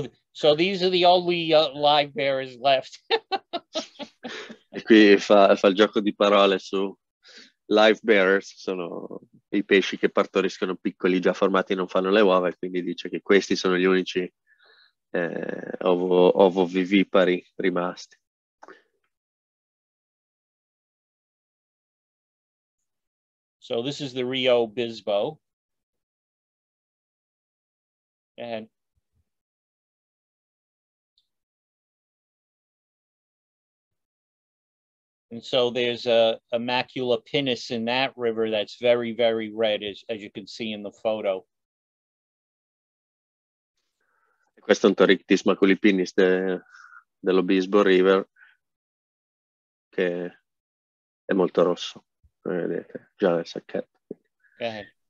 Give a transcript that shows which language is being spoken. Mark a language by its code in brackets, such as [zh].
[en] So these are the only live bearers left. [it] E qui fa il gioco di parole su live bearers, sono i pesci che partoriscono piccoli già formati e non fanno le uova, e quindi dice che questi sono gli unici ovo vivipari rimasti. [en] So this is the Rio Bisbo. And so there's a macula pinnis in that river that's very, very red, as you can see in the photo. [it] Questo è un torictis maculi pinnis dell'Obisbo River, che è molto rosso, come vedete, già nel sacchetto. [en] Go ahead.